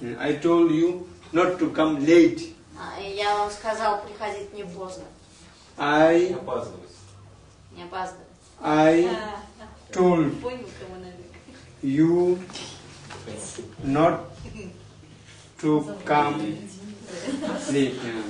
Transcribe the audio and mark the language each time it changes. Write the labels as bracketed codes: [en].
[en] I told you not to come late. [ru] Я вам сказал приходить не поздно. [en] I. [ru] Не опаздывать. Не опаздывать. [en] I. Told you not to come late.